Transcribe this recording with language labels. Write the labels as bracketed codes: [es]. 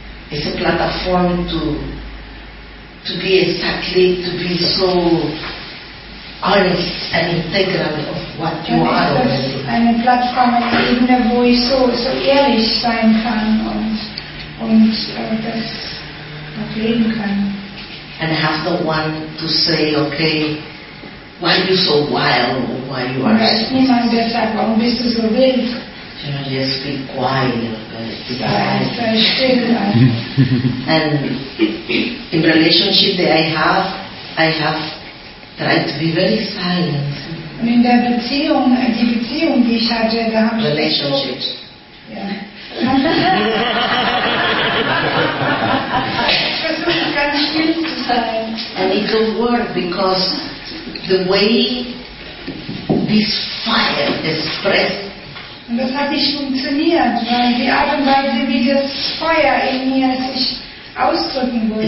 [en] it's a platform to be exactly, to be so honest and integral of what you are. [de] Eine Plattform, eine Ebene, wo ich so ehrlich sein kann und das auch leben kann. [en] And have the one to say, okay, why are you so wild? Why you are? [de] Und niemand, der sagt, warum bist du so wild? [en] You know, just be quiet. And in relationship that I have tried to be very silent. [de] Und in der Beziehung, die Beziehung, die ich hatte, da habe ich [en] relationships. [de] Ich versuche ganz still zu sein. [en] And it don't work because the way this fire expressed. [de] Und das hat nicht funktioniert, weil die Art und Weise, wie das Feuer in mir sich ausdrücken wollte.